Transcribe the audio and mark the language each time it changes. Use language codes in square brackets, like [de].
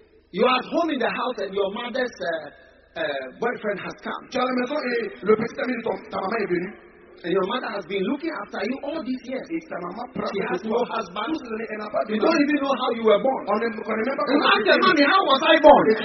[en] You are at home in the house and your mother's boyfriend has come. [fr] Tu as la maison et le petit ami de ta maman est venu. [en] And your mother has been looking after you all these years. [fr] Sa mama [en] she has no husband. You don't even know how you were born. Remember, and ask your mommy, how was I born?